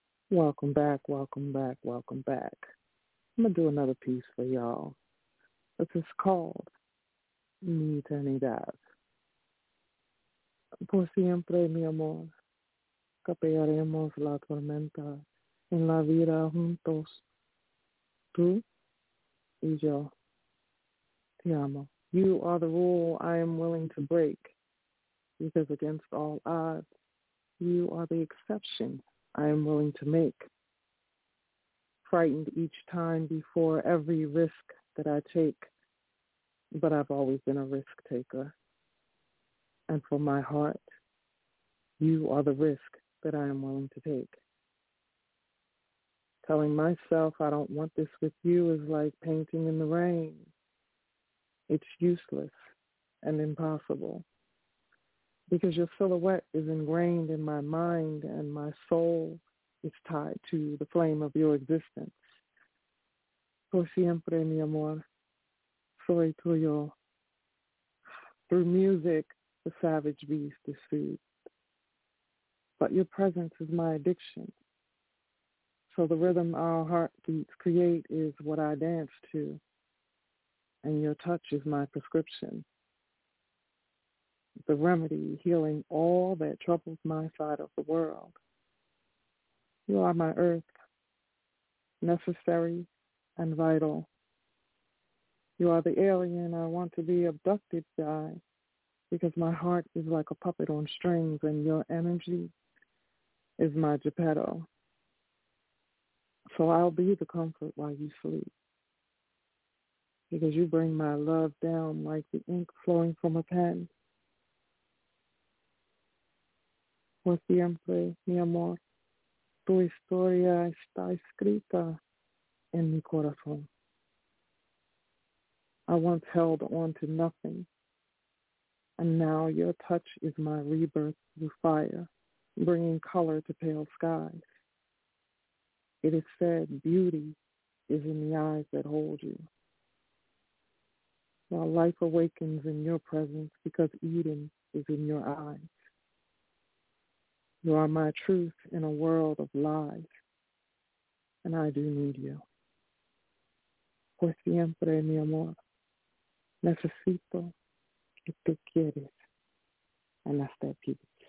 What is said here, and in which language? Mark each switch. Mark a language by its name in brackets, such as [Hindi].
[English] Welcome back, welcome back, welcome back. I'm going to do another piece for y'all. This is called [Spanish] mi eternidad. Por siempre, mi amor, capearemos la tormenta en la vida juntos, tú y yo. Te amo. [English] You are the rule I am willing to break, because against all odds, you are the exception I am willing to make. Frightened each time before every risk that I take, but I've always been a risk taker. And for my heart, you are the risk that I am willing to take. Telling myself I don't want this with you is like painting in the rain. It's useless and impossible, because your silhouette is ingrained in my mind and my soul is tied to the flame of your existence. [Spanish] Por siempre, mi amor, soy tuyo. [English] Through music, the savage beast is soothed. But your presence is my addiction. So the rhythm our heartbeats create is what I dance to. And your touch is my prescription, the remedy healing all that troubles my side of the world. You are my earth, necessary and vital. You are the alien I want to be abducted by, because my heart is like a puppet on strings and your energy is my Geppetto. So I'll be the comfort while you sleep, because you bring my love down like the ink flowing from a pen. [Spanish] Por siempre, mi amor, tu historia está escrita en mi corazón. [English] I once held on to nothing, and now your touch is my rebirth through fire, bringing color to pale skies. It is said beauty is in the eyes that hold you. While life awakens in your presence, because Eden is in your eyes. You are my truth in a world of lies, and I do need you. [Spanish] Por siempre, mi amor, necesito que te quieres en este piso.